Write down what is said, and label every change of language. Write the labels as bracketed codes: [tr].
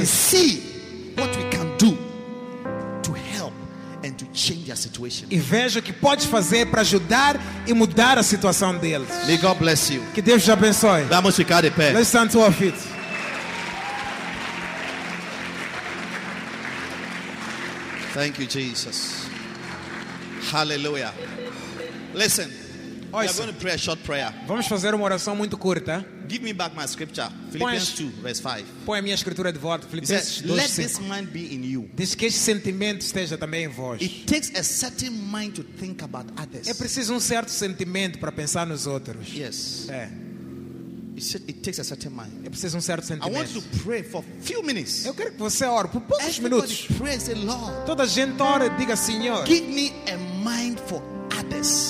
[en] And see what we can do to help and to change their situation. [pt] E veja o que podes fazer para ajudar e mudar a situação deles. [en] May God bless you. [pt] Que Deus te abençoe. Vamos ficar de pé. [en] Let's stand to our feet. Thank you, Jesus. Hallelujah. Listen. [pt] Oi, [en] we are going to pray a short prayer. [pt] Vamos fazer uma oração muito curta. [en] Give me back my scripture. Philippians 2, verse 5. [pt] Põe a minha escritura de volta. Philippians 2, [en] let this mind be in you. [pt] Diz que este sentimento esteja também em vós. [en] It takes a certain mind to think about others. [pt] É preciso certo sentimento para pensar nos outros. [en] Yes. [pt] É. [en] It takes a certain mind. [pt] É preciso certo sentimento. [en] I want to pray for few minutes. [pt] Eu quero que você ore por poucos [en] Everybody [pt] minutos. [en] Pray, say, Lord, [pt] toda a gente ora e diga, Senhor. [en] Give me a mind for others.